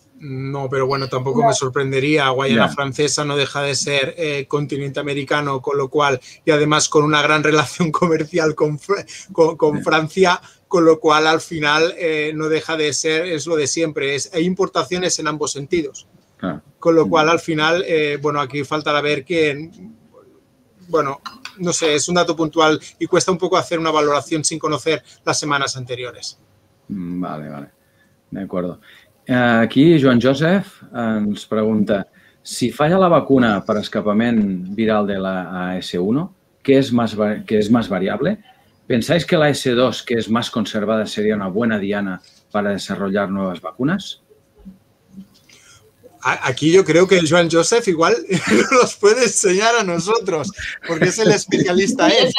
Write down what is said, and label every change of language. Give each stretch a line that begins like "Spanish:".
Spanish: No, pero bueno, tampoco me sorprendería. Guayana Francesa no deja de ser continente americano, con lo cual, y además con una gran relación comercial con Francia, con lo cual al final no deja de ser, es lo de siempre, hay importaciones en ambos sentidos. Claro. Con lo cual al final, bueno, aquí faltará ver quién, bueno, no sé, es un dato puntual y cuesta un poco hacer una valoración sin conocer las semanas anteriores. Vale, vale, de acuerdo.
Catalan: Aquí Joan Josef ens pregunta: si falla la vacuna per escapament viral de la AS1, què és més variable?
Spanish: ¿Pensáis que
Catalan: la AS2, que és més conservada, seria una bona diana per desenvolupar noves vacunes?
Spanish: Aquí yo creo que Joan Josef igual nos puede enseñar a nosotros, porque es el especialista.